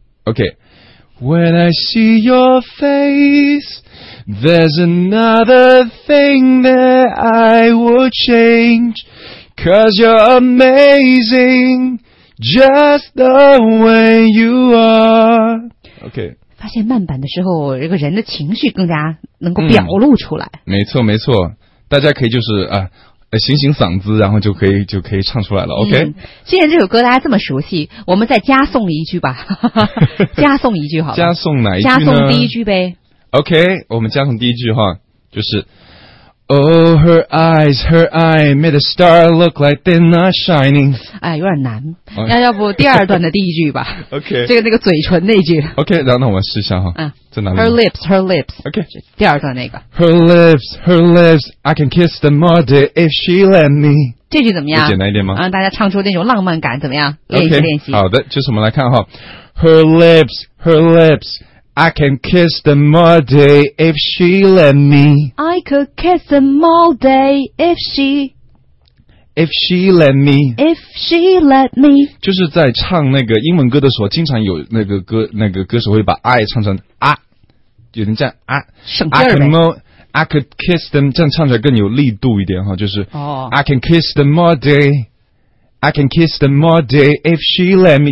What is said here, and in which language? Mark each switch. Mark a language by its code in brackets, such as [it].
[en] OK， When I see your face, there's another thing that I would change. 'Cause you're amazing, just the way you are. OK， [zh] 发现慢版的时候，这个人的情绪更加能够表露出来。没错，没错，大家可以就是啊。醒醒嗓子，然后就可以唱出来了。OK，既然这首歌大家这么熟悉，我们再加送一句吧，加送一句好了。加送哪一句呢？加送第一句呗。 OK， 我们加送第一句哈，就是 [en] Oh her eyes, her eye made a star look like they're not shining。 [zh] 哎，有点难，那要不第二段的第一句吧。 [en] OK， [zh] 这个那个嘴唇那句。 OK， 然后我们试一下哈。嗯。 [en] Her lips, her lips. OK， [zh] 第二段那个。 [en] Her lips, her lips. I can kiss them all day if she let me。 [zh] 这句怎么样？简单一点吗？让大家唱出那种浪漫感，怎么样？练习练习。好的，就是我们来看哈。 [en] Her lips, her lips. I can kiss them all day if she let me. I could kiss them all day if she. If she let me, if she let me， [zh] 就是在唱那个英文歌的时候，经常有那个歌，那个歌手会把 I 唱成啊，有人这样啊，省劲儿呗。 [en] I could kiss them， [zh] 这样唱起来更有力度一点哈，就是哦。 [en] I can kiss them all day, I can kiss them all day if she let me。